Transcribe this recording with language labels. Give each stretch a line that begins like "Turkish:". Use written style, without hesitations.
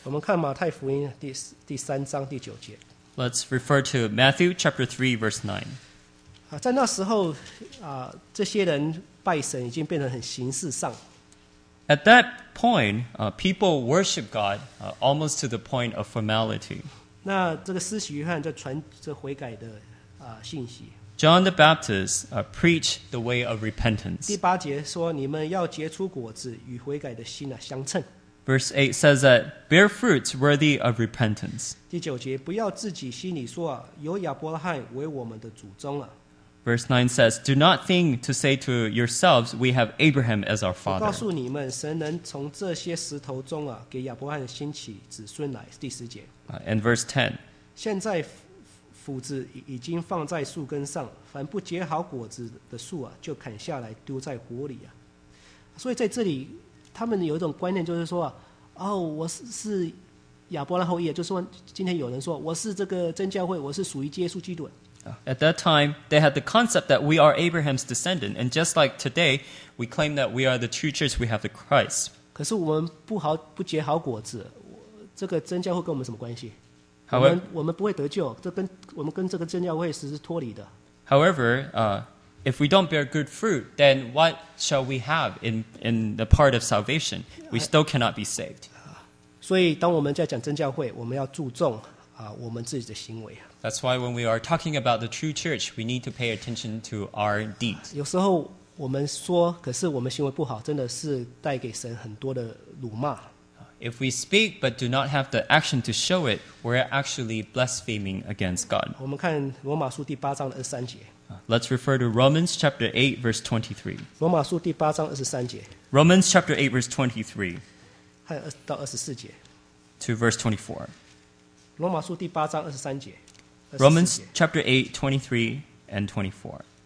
Chinese: 我们看马太福音第三章第九节。
English: Let's refer to Matthew chapter 3, verse 9.
Chinese: 在那时候这些人拜神已经变成很形式上。
English: At that point, people worship God almost to the point of formality.
Chinese: 那这个施洗约翰在传这悔改的信息。
English: John the Baptist preached the way of repentance.
Chinese: 第八节说你们要结出果子与悔改的心相称。
English: Verse 8 says that bear fruits worthy of repentance.
Chinese: 第九节不要自己心里说有亚伯拉罕为我们的祖宗啊。
English: Verse 9 says, do not think to say to yourselves, we have Abraham as our father.
Chinese: 我告诉你们神能从这些石头中给亚伯拉罕兴起子孙来。第十节。
English: And verse 10.
Chinese: 现在斧子已经放在树根上，凡不结好果子的树就砍下来丢在火里所以在这里，他们有一种观念，就是说我是亚伯拉罕会议，就是问今天有人说我是这个真教会，我是属于耶稣基督。
English: At that time, they had the concept that we are Abraham's descendant, and just like today, we claim that we are the true church, we have the Christ.
Chinese: 可是我们不结好果子，这个真教会跟我们什么关系？
English: However,
Chinese: 我们不会得救，我们跟这个真教会是脱离的。
English: However, if we don't bear good fruit, then what shall we have in the part of salvation? We still cannot be saved.
Chinese: 所以当我们在讲真教会，我们要注重我们自己的行为。
English: That's why when we are talking about the true church, we need to pay attention to our deeds.
Chinese: 有时候我们说，可是我们行为不好，真的是带给神很多的辱骂。
English: If we speak but do not have the action to show it, we're actually blaspheming against God.
Chinese: 我们看罗马书第八章的二十三节。
English: Let's refer to Romans chapter 8, verse 23.
Chinese: 罗马书第八章二十三节。
English: Romans chapter 8, verse 23.
Chinese: 和到二十四节。
English: To verse 24.
Chinese: 罗马书第八章二十三节。
English: Romans chapter 8, 23 and 24.